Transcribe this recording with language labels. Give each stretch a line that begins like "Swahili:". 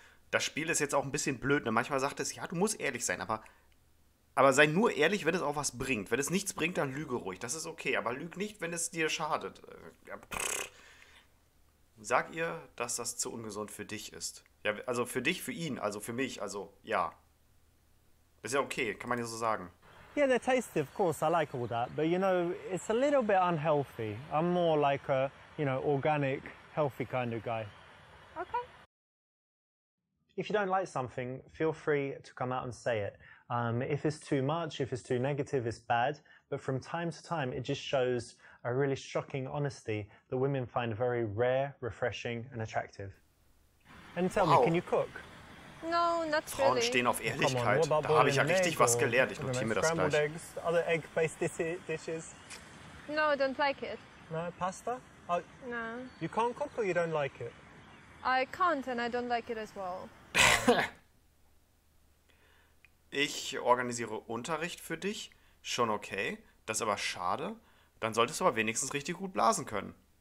German: Das Spiel ist jetzt auch ein bisschen blöd, ne? Manchmal sagt es, ja, du musst ehrlich sein, aber sei nur ehrlich, wenn es auch was bringt. Wenn es nichts bringt, dann lüge ruhig. Das ist okay, aber lüg nicht, wenn es dir schadet. Sag ihr, dass das zu ungesund für dich ist. Ja, also für dich, für ihn, also für mich, also ja. Ist ja okay, kann man ja so sagen.
English: Yeah, they're tasty, of course, I like all that. But you know, it's a little bit unhealthy. I'm more like a, you know, organic, healthy kind of guy. Okay. If you don't like something, feel free to come out and say it. If it's too much, if it's too negative, it's bad. But from time to time, it just shows a really shocking honesty that women find very rare, refreshing and attractive. And tell wow. me, can you cook? No, not really.
German: Frauen stehen auf Ehrlichkeit.
English: Come on,
German: da habe ich ja richtig was gelernt. Ich notiere mir das gleich.
English: Eggs, other egg-based dishes? No, I don't like it. No, pasta? Oh, no. You can't cook or you don't like it? I can't and I don't like it as well.
German: Ich organisiere Unterricht für dich. Schon okay. Das ist aber schade. Dann solltest du aber wenigstens richtig gut blasen können.